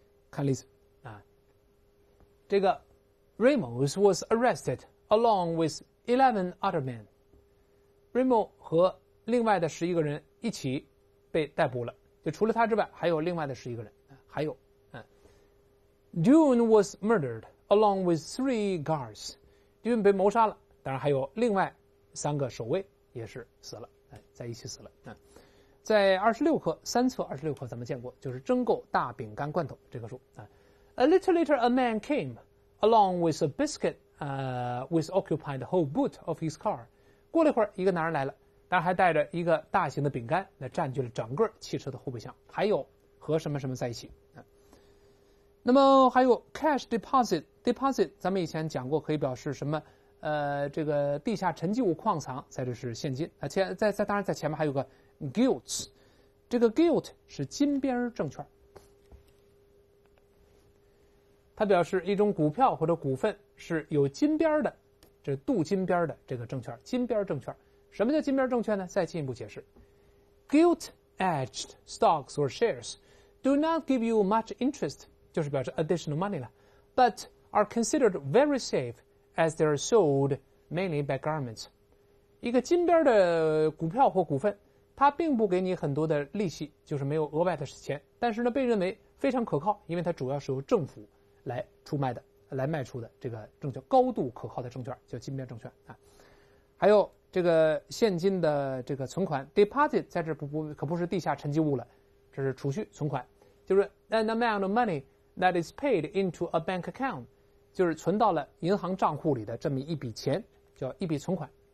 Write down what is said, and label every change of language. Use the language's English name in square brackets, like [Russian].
[Chinese] 看例子啊，这个 [English] Ramos was arrested along with 11 other men， [Chinese] Ramos 和另外的11个人一起被逮捕了，就除了他之外还有另外的11个人，还有 [English] Dune was murdered along with 3 guards， [Chinese] Dune被谋杀了，当然还有另外三个守卫也是死了，在一起死了。在26课，三册26课咱们见过，就是蒸够大饼干罐头这个书。 [English] A little later a man came along with a biscuit which occupied the whole boot of his car。 [Chinese] 过了一会儿一个男人来了，当然还带着一个大型的饼干，那占据了整个汽车的后备箱，还有和什么什么在一起。那么还有 cash deposit， 咱们以前讲过，可以表示什么这个地下沉积物矿藏，在这是现金。在当然在前面还有个 gilt， 这个 gilt 是金边证券，它表示一种股票或者股份是有金边的，这镀金边的这个证券，金边证券。什么叫金边证券呢？再进一步解释， [English] gilt edged stocks or shares do not give you much interest， [Chinese] 就是表示 [English] additional money 了， but are considered very safe as they are sold mainly by governments。 [Chinese] 一个金边的股票或股份，它并不给你很多的利息，就是没有额外的钱，但是呢被认为非常可靠，因为它主要是由政府来出卖的，来卖出的这个证券，高度可靠的证券叫金边证券啊。还有这个现金的这个存款 deposit， 在这不可不是地下沉积物了，这是储蓄存款，就是 [English] an amount of money that is paid into a bank account， [Chinese] 就是存到了银行账户里的这么一笔钱，叫一笔存款。